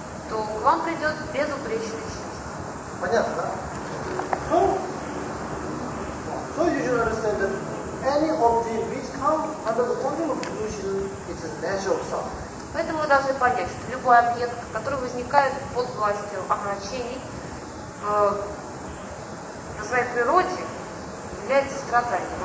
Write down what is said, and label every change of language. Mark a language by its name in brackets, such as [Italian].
[Russian] то к вам придет безупречное счастье. Понятно, да? [English] So you should understand that any object which comes under the control of delusion is a natural suffering. [Russian] Поэтому вы должны понять, что любой объект, который возникает под властью омрачений, на своей природе является страданием.